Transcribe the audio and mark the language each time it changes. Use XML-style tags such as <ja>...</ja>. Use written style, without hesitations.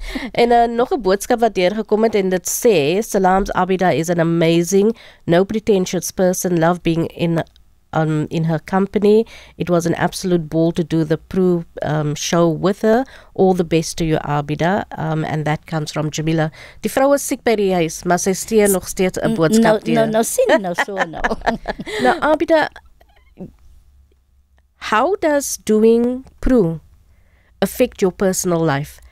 <af>En nog een boodskap wat deurgekom het, en dit sê,</af> <en>Salams Abida is an amazing, no pretentious person, love being in her company. It was an absolute ball to do the Proe show with her. All the best to you, Abida. And that comes from Jamila.</en> <af>Die vrou is siek by die huis, maar sy stee nog steeds 'n boodskap deur. Nou, sien nou so nou. Nou, Abida,</af> <en>How does doing Proe affect your personal life?</en>